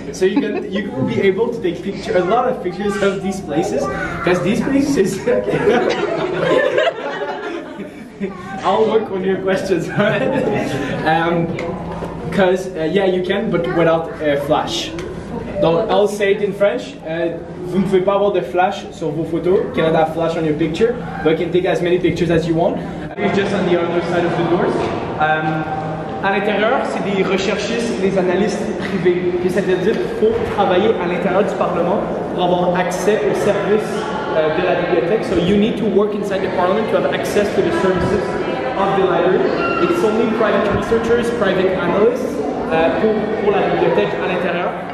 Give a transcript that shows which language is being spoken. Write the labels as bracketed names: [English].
[English] So you will be able to take picture a lot of pictures of these places because these places. I'll work on your questions. Because, yeah, you can, but without a flash. Donc, I'll say it in French. [French] Vous ne pouvez pas avoir de flash sur vos photos. [English] You cannot have flash on your picture, but you can take as many pictures as you want. We're just on the other side of the doors. [French] À l'intérieur, c'est des recherchistes, des analystes privés. Puis ça veut dire qu'il faut travailler à l'intérieur du Parlement pour avoir accès aux services de la bibliothèque. [English] So you need to work inside the Parliament to have access to the services of the library. It's only private researchers, private analysts [French] pour la bibliothèque à l'intérieur.